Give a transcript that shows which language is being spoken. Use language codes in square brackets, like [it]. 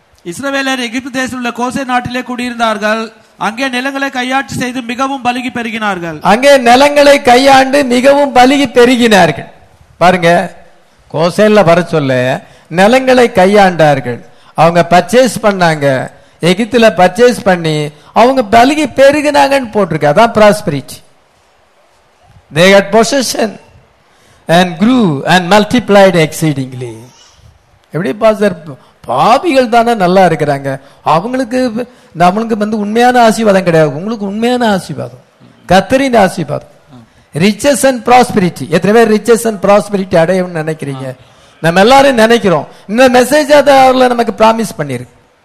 [ta] இஸ்ரவேலர் எகிப்து தேசம் உள்ள கோசே நாட்டிலே குடியிருந்தார்கள். அங்கே நிலங்களை கையாட்சி செய்து மிகவும் பலுகி பெருகினார்கள். அங்கே நிலங்களை கையாண்டு மிகவும் பலுகி பெருகினார்கள். பாருங்க, கோசேல வர சொல்ல நிலங்களை கையாண்டார்கள். அவங்க பர்ச்சேஸ் பண்ணாங்க, எகிப்துல பர்ச்சேஸ் பண்ணி அவங்க பலுகி பெருகினாங்கன்னு போட்டிருக்கு. அதான் prosperity. [en] They got possession and grew and multiplied exceedingly. [ta] எப்படி பாசர்? பாபிகள் தானே நல்லா இருக்கிறாங்க. அவங்களுக்கு நம்மளுக்கு வந்து உண்மையான ஆசீர்வாதம் கிடையாது. உங்களுக்கு உண்மையான ஆசீர்வாதம் கத்தரின் ஆசீர்வாதம். Riches and prosperity. எத்தனை பேர் ரிச்சஸ் அண்ட் ப்ராஸ்பெரிட்டி அடையணும்னு நினைக்கிறீங்க? நம்ம எல்லாரும் நினைக்கிறோம். இந்த மெசேஜ் அதில் நமக்கு ப்ராமிஸ் பண்ணிருக்கு.